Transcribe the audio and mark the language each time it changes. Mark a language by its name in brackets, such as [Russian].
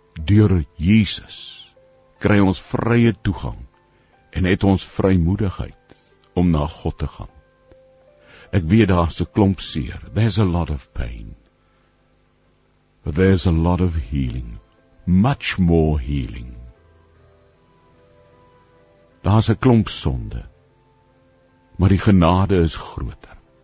[Afrikaans] Deur Jesus kry ons vrye toegang en het ons vrymoedigheid om na God te gaan. Ek weet daar's 'n klomp seer. [English] There's a lot of pain. But there's a lot of healing, much more healing. [Afrikaans] Daar's 'n klomp sonde, maar die genade is groter.